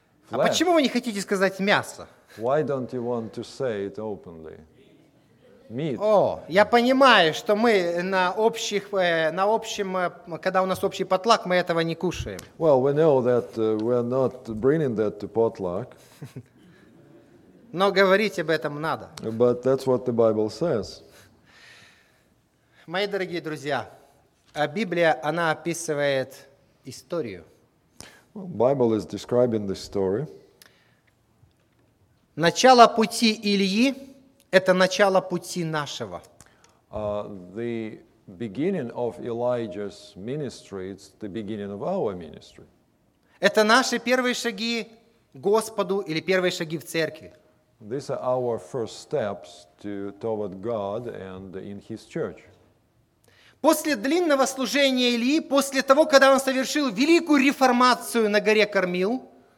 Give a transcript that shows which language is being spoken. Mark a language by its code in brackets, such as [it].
[ru] А почему вы не хотите сказать мясо? [en] Why don't you want to say it openly? Meat. [ru] О, я понимаю, что мы на общем, когда у нас общий потлак, мы этого не кушаем. [en] Well, we know that we're not bringing that to potluck. [ru] Но говорить об этом надо. [en] But that's what the Bible says. [ru] Мои дорогие друзья, Библия, она описывает историю. [en] Bible is describing the story. [ru] Начало пути Ильи – это начало пути нашего. [en] The beginning of Elijah's ministry – it's the beginning of our ministry. [ru] Это наши первые шаги Господу или первые шаги в церкви. [en] These are our first steps toward God and in His church. [ru] После длинного служения Ильи, после того, когда он совершил великую реформацию на горе Кармил,